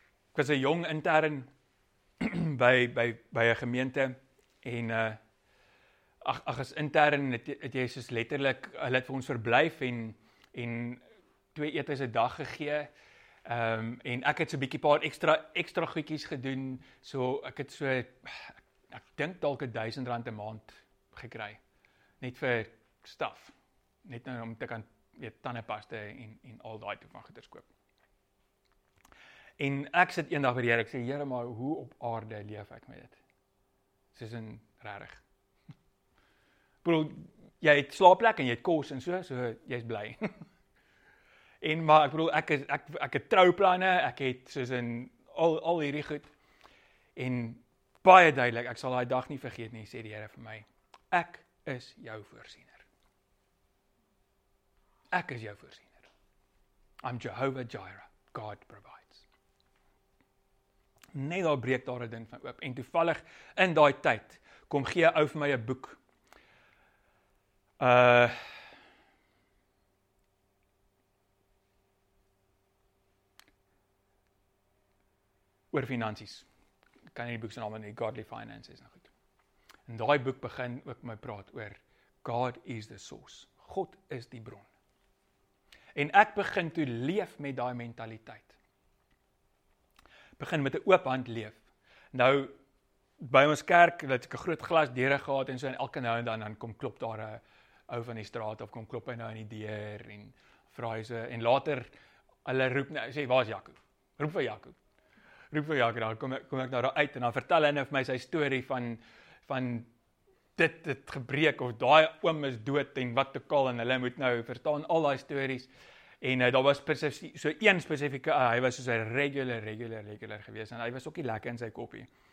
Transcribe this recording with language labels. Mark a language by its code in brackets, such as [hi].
[af] Ek was 'n jong intern by 'n gemeente en as intern het jy soos letterlik hulle het vir ons verblyf en twee etes 'n dag gegee. En ek het so 'n bietjie paar ekstra goedjies gedoen, so ek het so ek dink dalk R1000 'n maand gekry net vir staf. Net nou om te kan weet tandepaste en al daai tipe van goeders koop. En ek sit eendag by die Here, ek sê Here, maar hoe op aarde leef ek met dit? Soos in rarig. Bro, jy het slaapplek en jy het kos en so jy's bly. En maar ek bedoel ek het trouplanne, ek het soos in al hierdie goed. En baie duidelik, ek sal die dag nie vergeet nie, sê die Here vir my, ek is jou voorsiener. Ek is jou voorsiener. [en] I'm Jehovah Jireh, God provides. [af] Net daar breek daar 'n ding van oop, en toevallig in daai tyd, kom gee ou vir my 'n boek, oor finansies. Ek kan nie die boek se naam nie, Godly Finances, nou goed. En daai boek begin ook my praat oor [en] God is the source. [af] God is die bron. En ek begin toe leef met daai mentaliteit. Begin met 'n oop hand leef. Nou by ons kerk het ek 'n groot glas deure gehad en so en elke nou en dan kom klop daar 'n ou van die straat of kom klop hy nou aan die deur en vra hy so en later hulle roep nou sê waar's Jaco? Roep vir Jaco. Roep vir Jaco, dan kom ek nou daar uit en dan vertel hy net vir my sy storie van dit het gebreek of daai oom is dood en wat te kal en hulle moet nou verstaan al daai stories en daar was so een spesifieke hy was so 'n regular gewees en hy was ook nie lekker in sy koppie.